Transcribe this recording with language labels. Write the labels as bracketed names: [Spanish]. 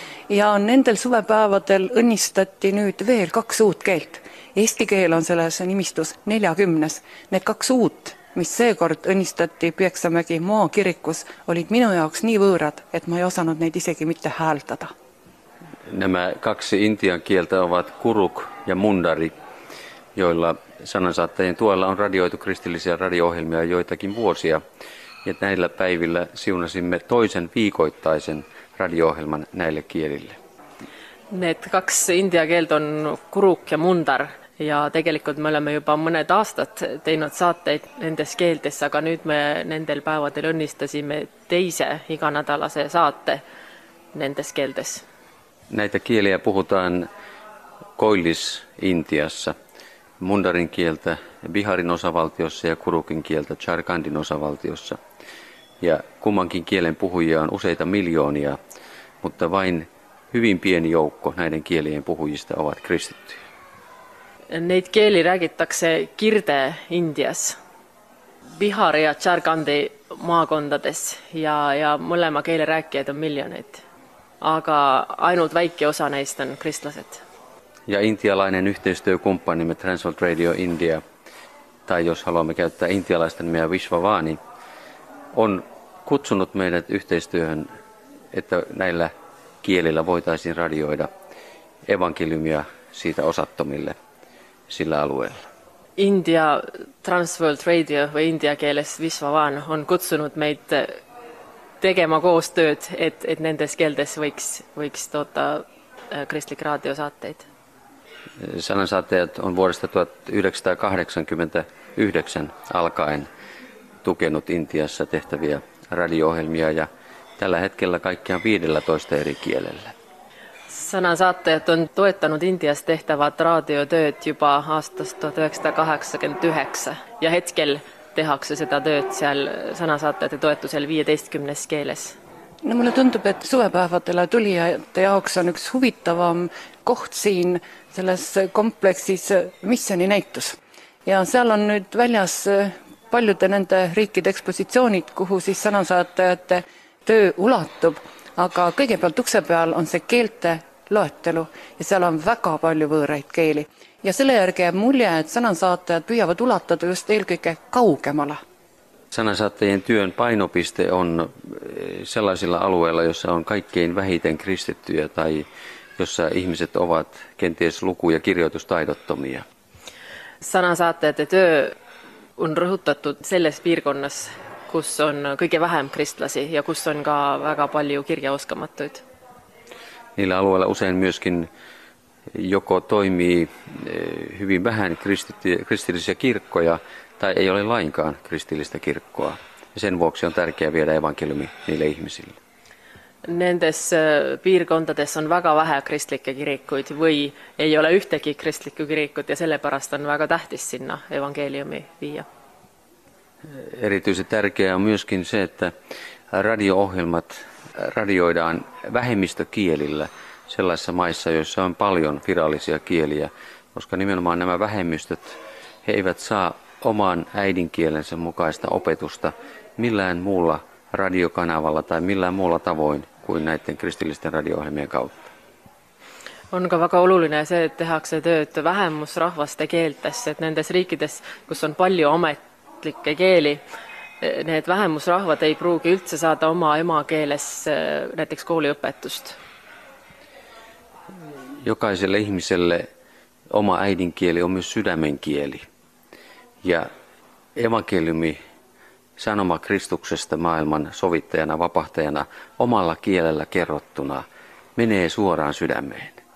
[Estonian] Ja nendel suvepäevadel õnnistati nüüd veel kaks uut keelt. Eesti keel on selles nimistus 40. Need kaks uut, mis seekord õnnistati Pieksamägi maakirikus, olid minu jaoks nii võõrad, et ma ei osanud neid isegi mitte hääldada. [Finnish] Nämä kaksi intian kieltä ovat kuruk ja mundari, joilla sanansaattajien tuella on radioitu kristillisiä radio-ohjelmia joitakin vuosia. Ja näillä päivillä siunasimme toisen viikoittaisen radio-ohjelman näille kielille. [Estonian] Need kaksi intian kieltä on kuruk ja mundar. Ja tegelikult me oleme juba mõned aastat teinud saateid nendes keeltes, aga nüüd me nendel päevadel õnnistasime teise iganädalase saate nendes keeltes. [Finnish] Näitä kieliä puhutaan Koillis-Intiassa, mundarin kieltä Biharin osavaltiossa ja kurukin kieltä Jharkhandin osavaltiossa. Ja kummankin kielen puhujia on useita miljoonia, mutta vain hyvin pieni joukko näiden kielien puhujista ovat kristittyjä. [Estonian] Neid kieli räägitakse Kirde-Indias, Bihari ja Jharkhandi maakondades ja mõlema keele rääkijad on miljoneid. Aga ainult väike osa neist on kristlased. [Finnish] Ja intialainen yhteistyökumppanimme Transworld Radio India, tai jos haluamme käyttää intialaista nimeä Vishwavani, on kutsunut meidät yhteistyöhön, että näillä kielillä voitaisiin radioida evankeliumia siitä osattomille sillä alueella. [Estonian] India Transworld Radio või india keeles Vishwavan on [Finnish] kutsunut [Estonian] meid tegema koostööd, et nendes keeldes võiks toota kristlik raadiosaateid. [Finnish] Sanansaattajat on vuodesta 1989 alkaen tukenut Intiassa tehtäviä radio-ohjelmia ja tällä hetkellä kaikkiaan 15 eri kielellä. [Estonian] Sanansaattajat on toetanud Intias tehtävät raadiotööd juba aastast 1989 ja hetkel tehakse seda tööd seal sanasaatajate toetusel 15 keeles. No mulle tundub, et suvepäevadele tulijate jaoks on üks huvitavam koht siin selles kompleksis missioni näitus. Ja seal on nüüd väljas paljude nende riikide ekspositsioonid, kuhu siis sanasaatajate töö ulatub, aga kõigepealt ukse peal on see keelte loetelu ja seal on väga palju võõraid keeli. Ja selle järgi jääb mulje, et sanansaatajad püüavad ulatada just eelkõige kaugemale. [Finnish] Sanansaattajien työn painopiste on sellaisilla alueilla, jossa on kaikkein vähiten kristittyjä tai jossa ihmiset ovat kenties luku- ja kirjoitustaidottomia. [Estonian] Sanansaattajate töö on rõhutatud selles piirkonnas, kus on kõige vähem kristlasi ja kus on ka väga palju kirjaoskamatuid. [Finnish] Niillä alueilla usein myöskin joko toimii hyvin vähän kristillisiä kirkkoja tai ei ole lainkaan kristillistä kirkkoa. Ja sen vuoksi on tärkeää viedä evankeliumi niille ihmisille. [Estonian] Nendes piirkondades on väga vähe kristlikke kirikkuid või ei ole ühtegi kristlikku kirikut ja sellepärast on väga tähtis sinna evankeliumi viia. [Finnish] Erityisen tärkeää on myöskin se, että radio-ohjelmat radioidaan vähemmistökielillä sellaisissa maissa, joissa on paljon virallisia kieliä, koska nimenomaan nämä vähemmistöt, he eivät saa oman äidinkielensä mukaista opetusta millään muulla radiokanavalla tai millään muulla tavoin kuin näiden kristillisten radio-ohjelmien kautta. [Estonian] On ka väga oluline se, että tehakse tööd vähemmusrahvaste keeltes, et nendes riikides, kus on paljon ametlikke keeli, need vähemusrahvad ei pruugi üldse saada oma emakeeles näiteks kooliõpetust? [Finnish] Jokaiselle ihmiselle oma äidinkieli on myös sydämen kieli. Ja evankeliumi sanoma Kristuksesta maailman sovittajana, vapahtajana, omalla kielellä kerrottuna, menee suoraan sydämeen.